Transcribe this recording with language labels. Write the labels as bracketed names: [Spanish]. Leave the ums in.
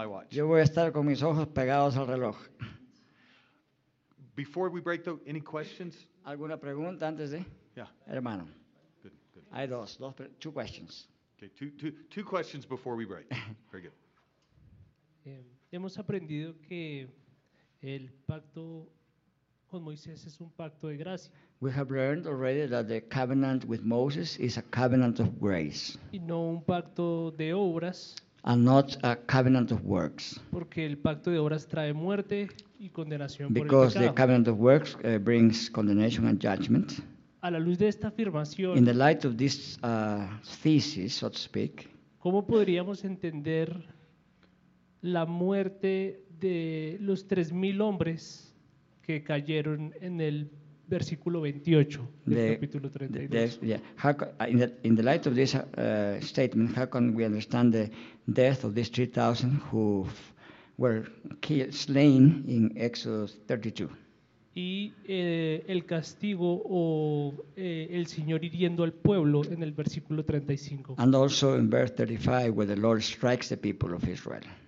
[Spanish] Yo voy a estar con mis ojos pegados al reloj. [English] though, [Spanish] ¿Alguna pregunta antes de? [English] Yeah. [Spanish] Hermano. [English] Good, good. [Spanish] Hay dos, dos [English] two questions. Okay, two, two, two questions before we break. Very good. Yeah, [Spanish] hemos aprendido que el pacto con Moisés es un pacto de gracia. [English] We have learned already that the covenant with Moses is a covenant of grace. [Spanish] Y no un pacto de obras. [English] And not a covenant of works. [Spanish] Porque el pacto de obras trae muerte y condenación [English] Because [Spanish] por el pecado. [English] Because the covenant of works brings condemnation and judgment. [Spanish] A la luz de esta afirmación. [English] In the light of this uh, thesis, so to speak. [Spanish] ¿Cómo podríamos entender la muerte de de los tres mil hombres que cayeron en el versículo 28 del [English] the, [Spanish] capítulo 32. [English] The, the, yeah. How, in, the, in the light of this uh, statement, how can we understand the death of these 3,000 who were killed, slain in Exodus 32? [Spanish] Y uh, el castigo o uh, el Señor hiriendo al pueblo en el versículo 35. [English] And also in verse 35, where the Lord strikes the people of Israel.